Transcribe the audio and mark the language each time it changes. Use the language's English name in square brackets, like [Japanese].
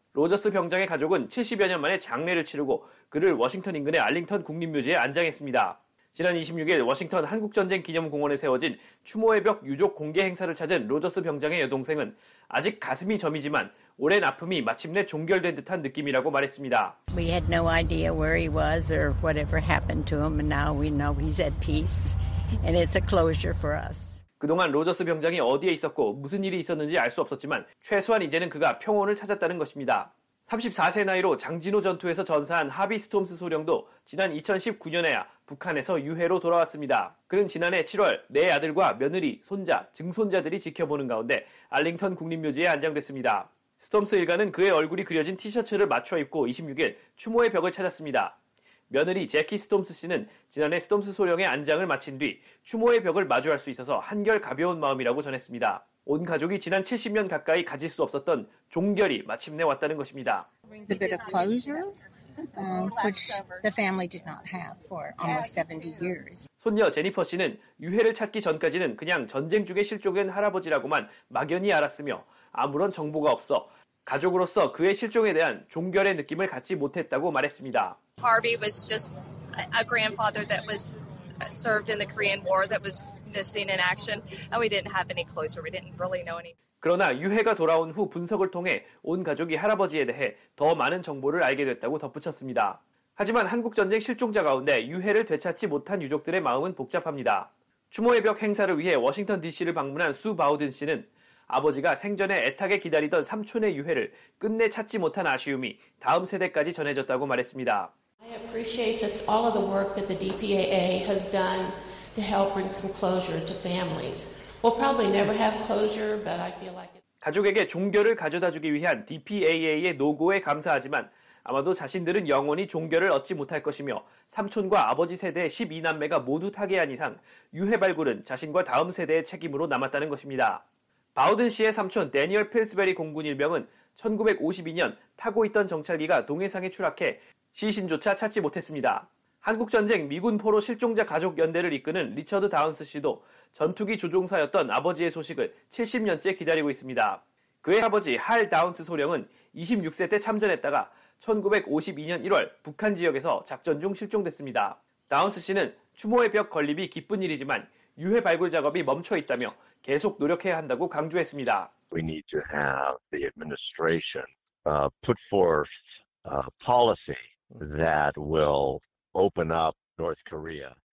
[Korean] 로저스 병장의 가족은 70여 년 만에 장례를 치르고 그를 워싱턴 인근의 알링턴 국립묘지에 안장했습니다. 지난 26일 워싱턴 한국전쟁기념공원에 세워진 추모의 벽 유족 공개 행사를 찾은 로저스 병장의 여동생은 아직 가슴이 저미지만 오랜 아픔이 마침내 종결된 듯한 느낌이라고 말했습니다. [English] We had no idea where he was or whatever happened to him, and now we know he's at peace, and it's a closure for us. [Korean] 그동안 로저스 병장이 어디에 있었고 무슨 일이 있었는지 알 수 없었지만 최소한 이제는 그가 평온을 찾았다는 것입니다. 34세 나이로 장진호 전투에서 전사한 하비 스톰스 소령도 지난 2019년에야 북한에서 유해로 돌아왔습니다. 그는 지난해 7월 내 아들과 며느리, 손자, 증손자들이 지켜보는 가운데 알링턴 국립묘지에 안장됐습니다. 스톰스 일가는 그의 얼굴이 그려진 티셔츠를 맞춰 입고 26일 추모의 벽을 찾았습니다. 며느리 제키 스톰스 씨는 지난해 스톰스 소령의 안장을 마친 뒤 추모의 벽을 마주할 수 있어서 한결 가벼운 마음이라고 전했습니다. 온 가족이 지난 70년 가까이 가질 수 없었던 종결이 마침내 왔다는 것입니다. [English] It's a bit of closure, which the family did not have for almost 70 years. [Korean] 손녀 제니퍼 씨는 유해를 찾기 전까지는 그냥 전쟁 중에 실종된 할아버지라고만 막연히 알았으며 아무런 정보가 없어 가족으로서 그의 실종에 대한 종결의 느낌을 갖지 못했다고 말했습니다. [English] Harvey was just a grandfather that was served in the Korean War that was missing in action, and we didn't have any closure. We didn't really know any. [Korean] 그러나 유해가 돌아온 후 분석을 통해 온 가족이 할아버지에 대해 더 많은 정보를 알게 됐다고 덧붙였습니다. 하지만 한국 전쟁 실종자 가운데 유해를 되찾지 못한 유족들의 마음은 복잡합니다. 추모의 벽 행사를 위해 워싱턴 D.C.를 방문한 수 바우든 씨는 아버지가 생전에 애타게 기다리던 삼촌의 유해를 끝내 찾지 못한 아쉬움이 다음 세대까지 전해졌다고 말했습니다. [English] I appreciate this, all of the work that the DPAA has done to help bring some closure to families. We'll probably never have closure, but I feel like it. [Korean] 가족에게 종결을 가져다주기 위한 DPAA의 노고에 감사하지만 아마도 자신들은 영원히 종결을 얻지 못할 것이며 삼촌과 아버지 세대의 12남매가 모두 타계한 이상 유해 발굴은 자신과 다음 세대의 책임으로 남았다는 것입니다. 바우든 씨의 삼촌 대니얼 필스베리 공군 일병은 1952년 타고 있던 정찰기가 동해상에 추락해 시신조차 찾지 못했습니다. 한국전쟁 미군 포로 실종자 가족 연대를 이끄는 리처드 다운스 씨도 전투기 조종사였던 아버지의 소식을 70년째 기다리고 있습니다. 그의 아버지 할 다운스 소령은 26세 때 참전했다가 1952년 1월 북한 지역에서 작전 중 실종됐습니다. 다운스 씨는 추모의 벽 건립이 기쁜 일이지만 유해 발굴 작업이 멈춰 있다며 계속 노력해야 한다고 강조했습니다. [English] We need to have the administration put forth a policy that will open up North Korea.